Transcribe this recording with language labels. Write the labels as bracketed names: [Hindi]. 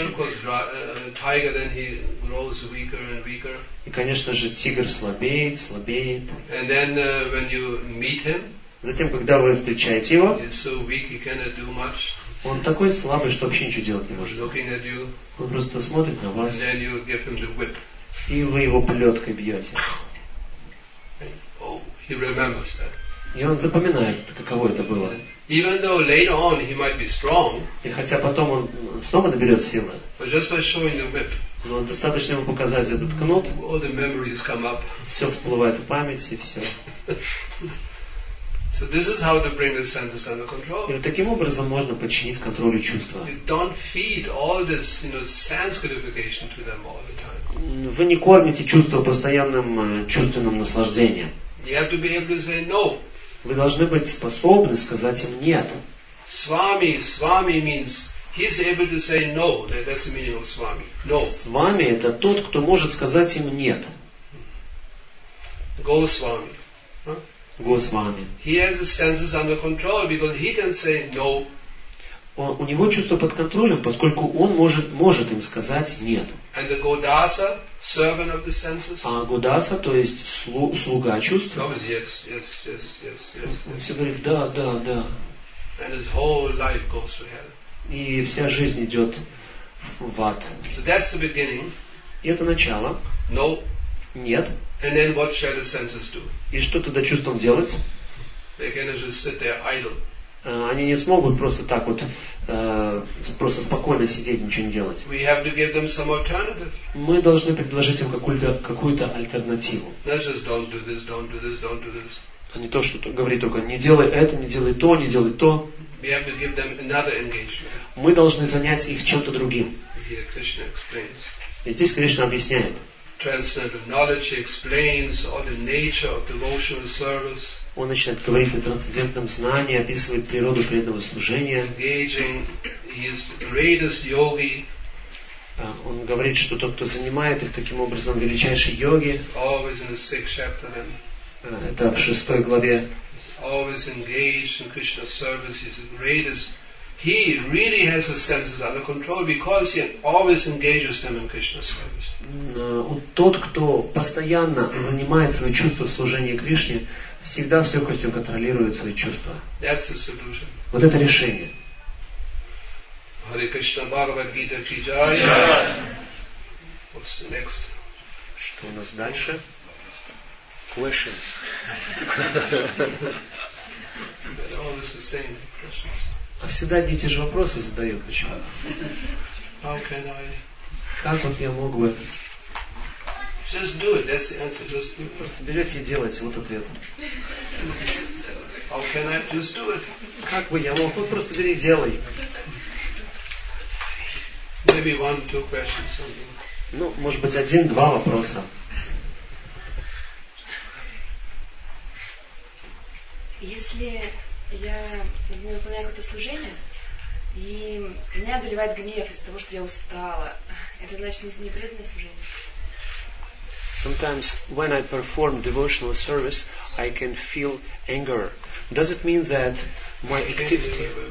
[English] And of course, tiger then he grows weaker and weaker. [Russian] И, конечно же, тигр слабеет, слабеет. [English] And then when you meet him. [Russian] Затем, когда вы встречаете его. [English] He's so weak he cannot do much. [Russian] Он такой слабый, что вообще ничего делать не может. [English] Looking at you. [Russian] Он просто смотрит на вас. [English] And then you give him the whip. [Russian] И вы его плеткой бьете. [English] Oh, he remembers that. [Russian] И он запоминает, каково это было. [English] Even though later on he might be strong, [Russian] и хотя потом он снова наберет силы, [English] but just by showing the whip, [Russian] но достаточно ему показать этот кнут, [English] all the memories come up. [Russian] Все всплывает в памяти, все. [English] So this is how to bring the senses under control. [Russian] И вот таким образом можно подчинить контролю чувства. [English] You don't feed all this, you know, sense gratification to them all the time. [Russian] Вы не кормите чувство постоянным чувственным наслаждением. [English] You have to be able to say no. [Russian] Вы должны быть способны сказать им нет. [English] Swami, Swami means he's able to say no. That's the meaning of Swami. No. [Russian] Swami это тот, кто может сказать им нет. [English] Go Swami. [Russian] Госвами. [English] He has his senses under control because he can say no. [Russian] У него чувство под контролем, поскольку он может им сказать нет. [English] And the Godasa, servant of the senses. [Russian] А Годаса, то есть слуга чувств. [English] Yes, yes, yes, yes, yes, yes, yes. [Russian] Он все говорит да, да, да. [English] And his whole life goes to hell. [Russian] И вся жизнь идет в ад. [English] So that's the beginning. [Russian] И это начало. [English] No. [Russian] Нет. [English] And then what shall the senses do? [Russian] И что тогда чувством делать? [English] They can just sit there idle. [Russian] Они не смогут просто так вот просто спокойно сидеть, ничего не делать. [English] We have to give them some alternative. [Russian] Мы должны предложить им какую-то альтернативу. [English] Not just don't do this, don't do this, don't do this. [Russian] А не то, что говорит только не делай это, не делай то, не делай то. [English] We have to give them another engagement. [Russian] Мы должны занять их чем-то другим. [English] Here Krishna explains. [Russian] И здесь Кришна объясняет. [English] Transcendental knowledge, he explains all the nature of devotional service. [Russian] Он начинает говорить о трансцендентном знании, описывает природу преданного служения. [English] Engaging his greatest yogi. [Russian] Он говорит, что тот, кто занимает их таким образом, величайший йоги. [English] Always in the sixth chapter. [Russian] Это в шестой главе. [English] He's always engaged in Krishna service. He's the greatest. He really has his senses under control because he always engages them in Krishna service. [Russian] Тот, кто постоянно занимает свои чувства служения Кришне, всегда с легкостью контролирует свои чувства. [English] That's the solution. [Russian] Вот это решение. [Hindi] Hare Krishna Bhagavad Gita Ki Jai. [English] What's the next? [Russian] Что у нас дальше? [English] Questions. They're always the same questions. [Russian] А всегда одни и те же вопросы задают. Почему? [English] How can I? [Russian] Как вот я мог бы? [English] Just do it. That's the answer. Just do it. [Russian] Просто берете и делаете. Вот ответ. [English] How can I? Just do it. [Russian] Как бы я мог? Вот просто бери и делай. [English] Maybe one, two questions. Something. [Russian] Ну, может быть, один-два вопроса. Если я выполняю какое-то служение, и меня одолевает гнев из-за того, что я устала, это значит не преданное служение? [English] Sometimes when I perform devotional service, I can feel anger. Does it mean that my activity?